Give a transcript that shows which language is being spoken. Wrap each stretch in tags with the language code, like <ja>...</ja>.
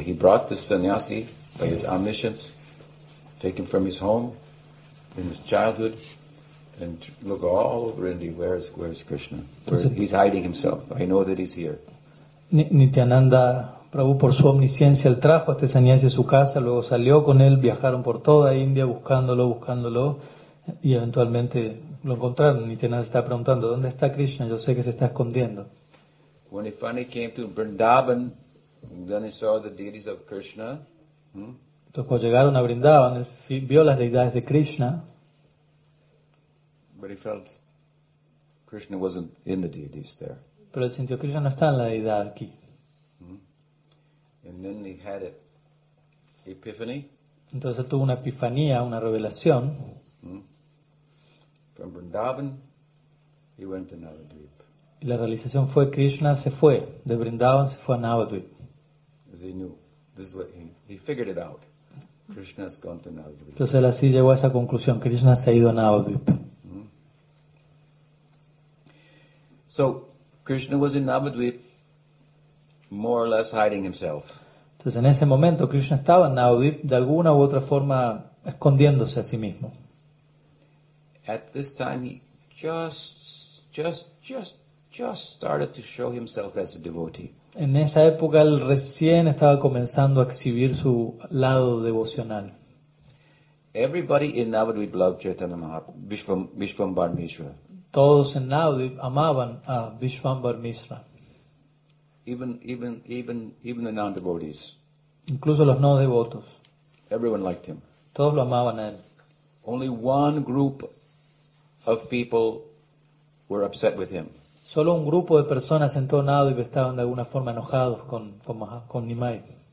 <en>He brought this sannyasi by his omniscience, taken from his home in his childhood, and look all over India. Where is Krishna? He's hiding himself. I know that he's here.</en> <es>Nityananda Prabhu, por su omnisciencia, él trajo a este sannyasi a su casa, luego salió con él, viajaron por toda India buscándolo, y eventualmente lo encontraron. Nityananda está preguntando, ¿dónde está Krishna? Yo sé que se está escondiendo.</es> <en>When he finally came to Vrindavan, then he saw the deities of Krishna.</en> <es>Entonces, cuando llegaron a Vrindavan, él vio las deidades de Krishna.</es> <en>But he felt Krishna wasn't in the deities there.</en> <es>Pero él sintió que Krishna no está en la deidad aquí.</es> <en>And then he had an epiphany.</en> <es>Entonces tuvo una epifanía, una revelación.</es> <en>From Vrindavan, he went to Navadvip.</en> <es>Y la realización fue, Krishna se fue de Vrindavan, se fue a Navadvip.</es> <en>As he knew, this is what he figured it out. Krishna has gone to Navadvip.</en> <es>Entonces él así llegó a esa conclusión, Krishna se ha ido a Navadvip.</es> <en>So, Krishna was in Navadvip, more or less hiding himself.</en> <es>Entonces en ese momento Krishna estaba en Navadvip, de alguna u otra forma escondiéndose a sí mismo.</es> <en>At this time he just started to show himself as a devotee.</en> <es>En esa época él recién estaba comenzando a exhibir su lado devocional.</es> <en>Everybody in Navadvip loved Chaitanya Mahaprabhu, Vishvambar Mishra.</en> <es>Todos en Navadvip amaban a Vishvambar Mishra.</es> <en>Even the non-devotees.</en> <es>Incluso los no devotos.</es> <en>Everyone liked him.</en> <es>Todos lo amaban a él.</es> <en>Only one group of people were upset with him.</en> <es>Solo un grupo de personas en todo Navadvip estaban de alguna forma enojados con Nimai.</es>